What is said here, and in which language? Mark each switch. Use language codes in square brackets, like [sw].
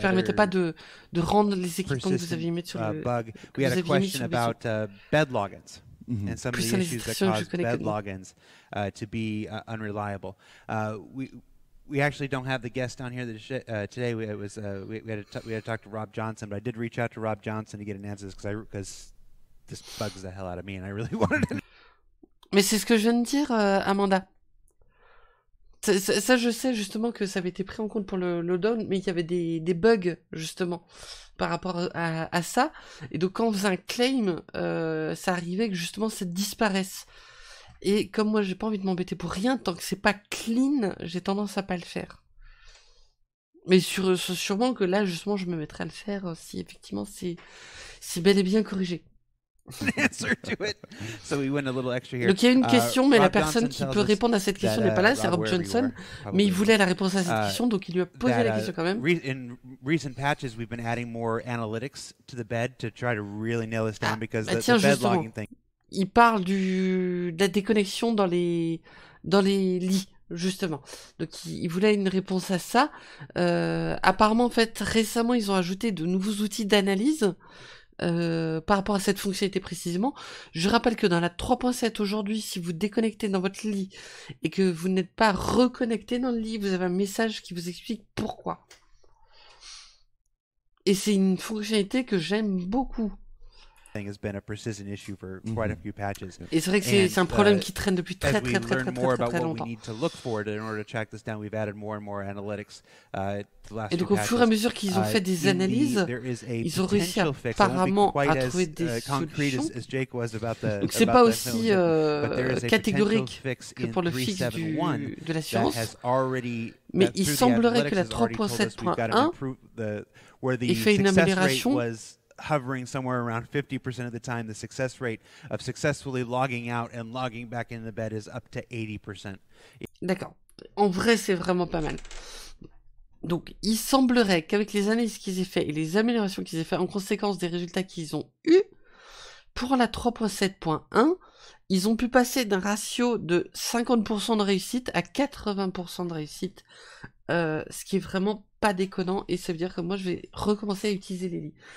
[fr] permettait other pas de rendre les équipements que vous aviez mis sur le bug. [en] We had a question about bed logins and some of the issues that caused bed logins to be unreliable. We actually don't have the guest on here today. We had to talk to Rob Johnson, but I did reach out to Rob Johnson to get an answer because this bugs the hell out of me and I really wanted to. [fr] Mais c'est ce que je viens de dire, Amanda. Ça, je sais justement que ça avait été pris en compte pour le loadout, mais il y avait des bugs, justement, par rapport à ça. Et donc, quand on faisait un claim, ça arrivait que, justement, ça disparaisse. Et comme moi, j'ai pas envie de m'embêter pour rien, tant que c'est pas clean, j'ai tendance à pas le faire. Mais sûrement que là, justement, je me mettrai à le faire si effectivement c'est bel et bien corrigé. Donc il y a une question, mais Rob la personne Johnson qui peut répondre à cette question n'est pas là, c'est Rob Johnson, mais il voulait la réponse à cette question, donc il lui a posé la question quand même. [en] In recent patches, we've been adding more analytics to the bed to try to really nail this down because the bed logging thing. [fr] Il parle de la déconnexion dans les lits, justement. Donc il voulait une réponse à ça. Apparemment, en fait, récemment, ils ont ajouté de nouveaux outils d'analyse. Par rapport à cette fonctionnalité précisément, je rappelle que dans la 3.7 aujourd'hui, si vous déconnectez dans votre lit et que vous n'êtes pas reconnecté dans le lit, vous avez un message qui vous explique pourquoi. Et c'est une fonctionnalité que j'aime beaucoup. Et c'est vrai que c'est un problème qui traîne depuis très longtemps. Et donc au fur et à mesure qu'ils ont fait des analyses, ils ont réussi apparemment à trouver des solutions. Donc c'est pas aussi catégorique que pour le fixe de l'assurance, mais il semblerait que la 3.7.1 ait fait une amélioration. [en] Hovering somewhere around 50% of the time, the success rate of successfully logging out and logging back in the bed is up to 80%. [fr] D'accord. En vrai, c'est vraiment pas mal. Donc, il semblerait qu'avec les analyses qu'ils aient fait et les améliorations qu'ils aient fait en conséquence des résultats qu'ils ont eu pour la 3.7.1, ils ont pu passer d'un ratio de 50% de réussite à 80% de réussite, ce qui est vraiment pas déconnant, et ça veut dire que moi je vais recommencer à utiliser les lits.